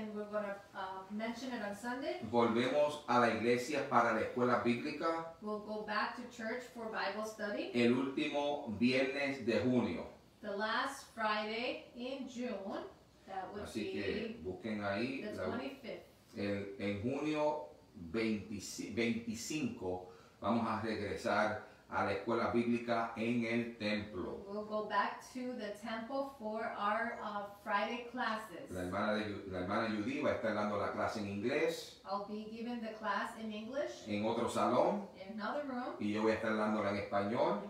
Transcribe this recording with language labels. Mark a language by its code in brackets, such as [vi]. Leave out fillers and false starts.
[en] We're going to tell you some news and we're going to mention it on Sunday. [es] Volvemos a la iglesia para la escuela bíblica. [en] We'll go back to church for Bible study. [es] El último viernes de junio. [en] The last Friday in June, that would [es] así [en] be [es] busquen ahí, [en] the 25th. [es] En junio 25, vamos a regresar a la escuela bíblica en el templo. [en] We'll go back to the temple for our Friday classes. [es] La hermana Judy va a estar dando la clase en inglés. [en] I'll be giving the class in English. [es] En otro salón. [en] In another room. [es] Y yo voy a estar dándola en español.